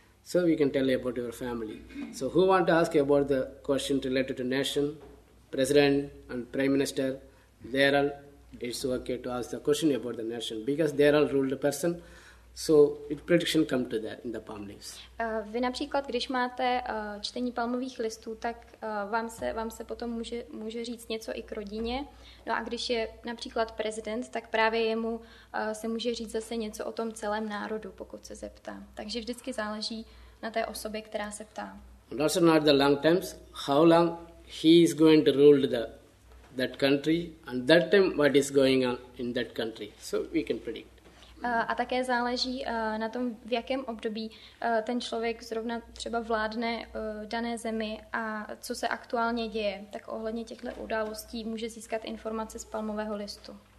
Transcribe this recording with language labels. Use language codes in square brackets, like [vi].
[en] So we can tell about your family. So who want to ask about the question related to nation, president and prime minister? They're all, it's okay to ask the question about the nation, because they're all ruled person, so it prediction come to that in the palm leaves. [cs] Vy například, když máte čtení palmových listů, tak vám se potom může říct něco i k rodině. No a když je například prezident, tak právě jemu se může říct zase něco o tom celém národu, pokud se zeptá. Takže vždycky záleží na té osobě, která se ptá. [en] And also not the long times, how long he is going to rule that country and that time what is going on in that country, so we can predict. [cs] A také záleží na tom, v jakém období ten člověk zrovna třeba vládne dané zemi a co se aktuálně děje, tak ohledně těchto událostí může získat informace z palmového listu.